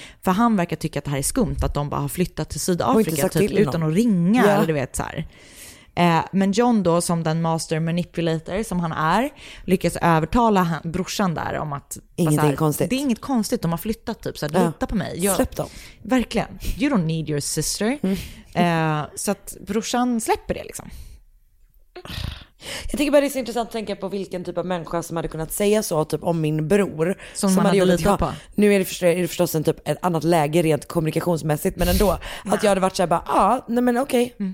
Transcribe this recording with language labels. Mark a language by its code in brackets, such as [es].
[sv] För han verkar tycka att det här är skumt att de bara har flyttat till Sydafrika typ, till utan att ringa. Ja. Eller du vet, så här. Men John då, som den [en] master manipulator [sv] som han är, lyckas övertala brorsan där om att såhär, det är inget konstigt, de har flyttat typ, så att lita på mig. Släpp dem. Verkligen, [en] you don't need your sister. [sv] Så att brorsan släpper det liksom. Jag tycker bara det är så intressant att tänka på vilken typ av människa som hade kunnat säga så typ om min bror som hade gjort lite på. Nu är det förstås en typ ett annat läge rent kommunikationsmässigt, men ändå att jag hade varit så här bara, nej men okej.